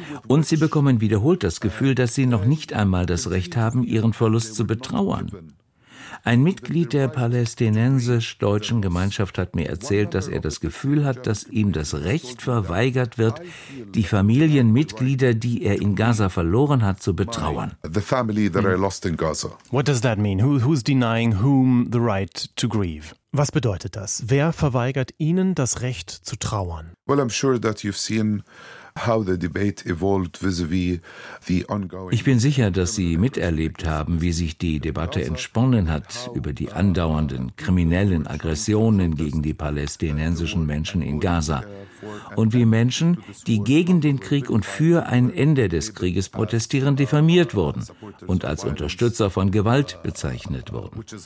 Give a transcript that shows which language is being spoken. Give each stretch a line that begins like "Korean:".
German: Und sie bekommen wiederholt das Gefühl, dass sie noch nicht einmal das Recht haben, ihren Verlust zu betrauern. Ein Mitglied der palästinensisch-deutschen Gemeinschaft hat mir erzählt, dass er das Gefühl hat, dass ihm das Recht verweigert wird, die Familienmitglieder, die er in Gaza verloren hat, zu betrauern.
English: The family that I lost in Gaza. What does that mean? Who's denying whom the right to grieve?
German: Was bedeutet das? Wer verweigert Ihnen das Recht zu trauern?
English: Well, I'm sure that you've seen how the debate evolved vis-à-vis the ongoing.
German: Ich bin sicher, dass Sie miterlebt haben, wie sich die Debatte entsponnen hat über die andauernden kriminellen Aggressionen gegen die palästinensischen Menschen in Gaza. Und wie Menschen, die gegen den Krieg und für ein Ende des Krieges protestieren, diffamiert wurden und als Unterstützer von Gewalt bezeichnet wurden.